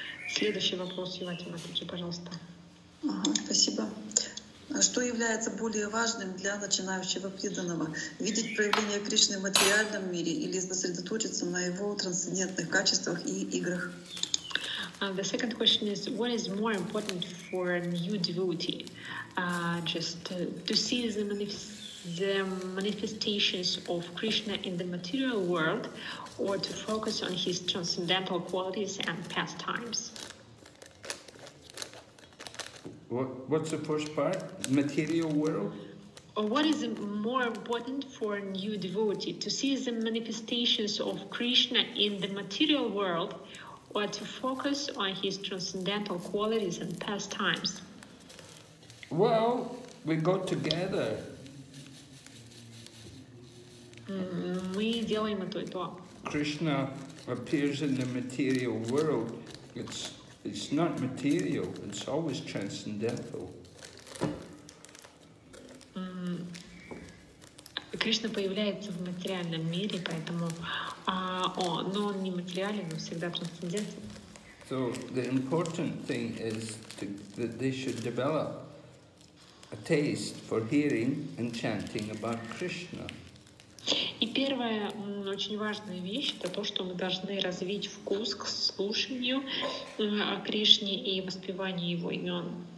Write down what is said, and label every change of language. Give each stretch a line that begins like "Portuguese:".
Russian: Следующий вопрос, Юватима, отвечи, пожалуйста. Спасибо. Что является более важным для начинающего преданного? Видеть проявление Кришны в материальном мире или сосредоточиться на его трансцендентных качествах и играх?
English: The second question is, what is more important for a new devotee? Just to see the manifestations of Krishna in the material world, or to focus on his transcendental qualities and pastimes? What's the first part? Material world? What is more important for a new devotee? To see the manifestations of Krishna in the material world, or to focus on his transcendental qualities and pastimes? Well, we go together.
Russian: Мы делаем это и то.
English: Krishna appears in the material world. It's not material, it's always transcendental.
Russian: Кришна появляется в материальном мире, поэтому но он не материален, он всегда трансцендентен.
English: So the important thing is that they should develop a taste for hearing and chanting about Krishna.
Russian: И первая очень важная вещь — это то, что мы должны развить вкус к слушанию о Кришне и воспеванию его имен.